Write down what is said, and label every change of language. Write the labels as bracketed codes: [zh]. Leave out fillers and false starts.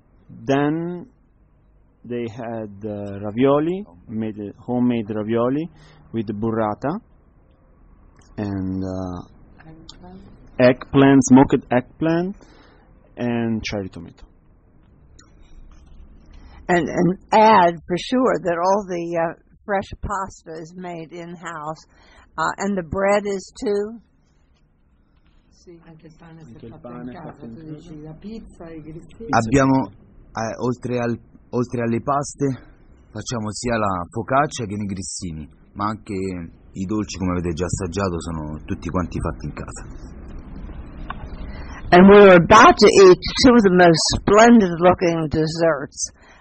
[en] Then they had ravioli, homemade ravioli with burrata and eggplant, smoked eggplant, and cherry tomato. And add for sure that all the fresh pasta is made in house, and the bread is too. [it] Abbiamo oltre alle paste, facciamo sia la focaccia che i grissini, ma anche i dolci, come avete già assaggiato, sono tutti quanti fatti in casa. [en] And we're about to eat two of the most splendid looking desserts